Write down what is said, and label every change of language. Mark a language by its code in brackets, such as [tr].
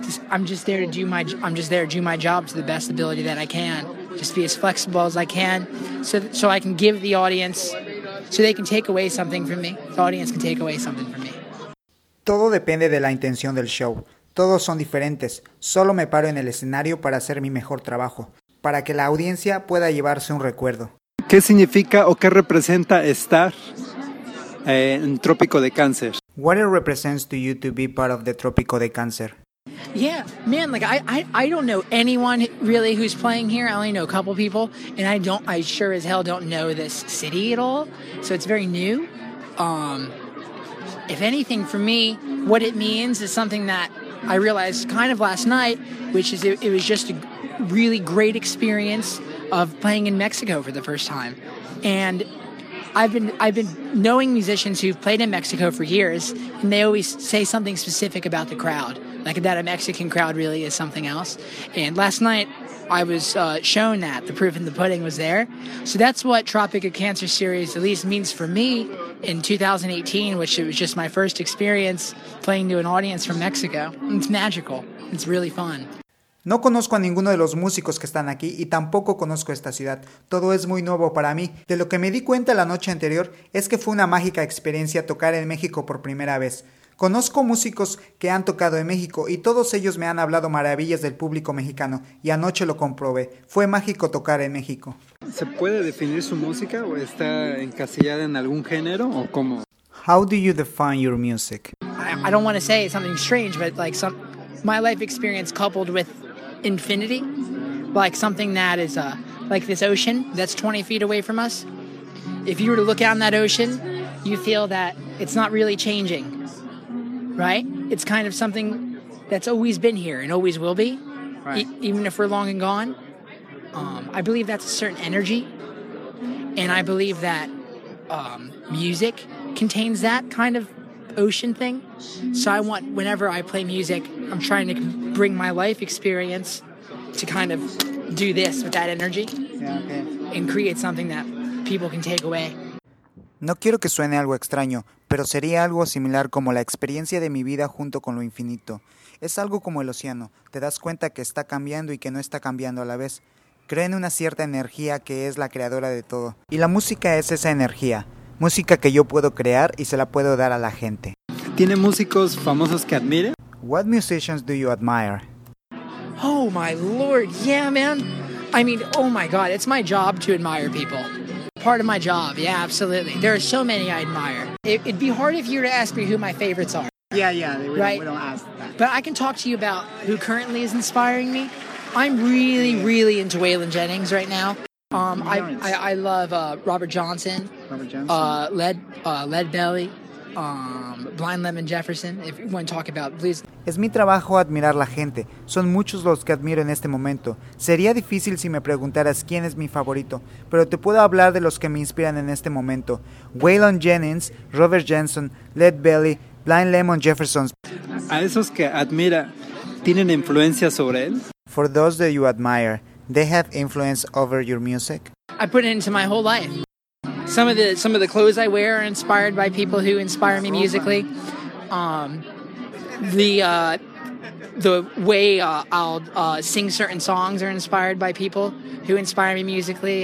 [en] I'm just there to do my job to the best ability that I can. Just be as flexible as I can, so I can give the audience, so they can take away something from me. The audience can take away something from me. [es] Todo depende de la intención del show. Todos son diferentes. Solo me paro en el escenario para hacer mi mejor trabajo, para que la audiencia pueda llevarse un recuerdo. ¿Qué significa o qué representa estar en Trópico de Cáncer? [en] What it represents to you to be part of the Trópico de Cáncer? Yeah, man, like I don't know anyone really who's playing here. I only know a couple people, and I sure as hell don't know this city at all. So it's very new. If anything, for me, what it means is something that I realized kind of last night, which is it was just a really great experience of playing in Mexico for the first time. And I've been knowing musicians who've played in Mexico for years, and they always say something specific about the crowd, like that a Mexican crowd really is something else. And last night, I was shown that. The proof in the pudding was there. So that's what Trópico de Cáncer series at least means for me in 2018, which it was just my first experience playing to an audience from Mexico. It's magical. It's really fun. [es] No conozco a ninguno de los músicos que están aquí y tampoco conozco esta ciudad. Todo es muy nuevo para mí. De lo que me di cuenta la noche anterior es que fue una mágica experiencia tocar en México por primera vez. Conozco músicos que han tocado en México y todos ellos me han hablado maravillas del público mexicano y anoche lo comprobé. Fue mágico tocar en México. ¿Se puede definir su música o está encasillada en algún género o cómo? [en] How do you define your music? I don't want to say something strange, but like my life experience coupled with infinity, like something that is like this ocean that's 20 feet away from us. If you were to look out in that ocean, you feel that it's not really changing, right? It's kind of something that's always been here and always will be, right? Even if we're long and gone. I believe that's a certain energy, and I believe that music contains that kind of ocean thing. So I want, whenever I play music, I'm trying to bring my life experience to kind of do this with that energy. Yeah, okay. And create something that people can take away. [es] No quiero que suene algo extraño, pero sería algo similar como la experiencia de mi vida junto con lo infinito. Es algo como el océano. Te das cuenta que está cambiando y que no está cambiando a la vez. Creo en una cierta energía que es la creadora de todo. Y la música es esa energía. Música que yo puedo crear y se la puedo dar a la gente. ¿Tiene músicos famosos que admire? [en] What musicians do you admire? Oh my lord, yeah man. I mean, oh my god, it's my job to admire people. Part of my job, yeah, absolutely. There are so many I admire. It'd be hard if you were to ask me who my favorites are. We don't ask that. But I can talk to you about who currently is inspiring me. I'm really, really into Waylon Jennings right now. I love Robert Johnson, Lead Belly, Blind Lemon Jefferson, if you want to talk about blues. [es] Es mi trabajo admirar la gente. Son muchos los que admiro en este momento. Sería difícil si me preguntaras quién es mi favorito, pero te puedo hablar de los que me inspiran en este momento. Waylon Jennings, Robert Johnson, Lead Belly, Blind Lemon Jefferson. A esos que admira, ¿tienen influencia sobre él? [en] For those that you admire, they have influence over your music? I put it into my whole life. Some of the clothes I wear are inspired by people who inspire me musically. The way I'll sing certain songs are inspired by people who inspire me musically.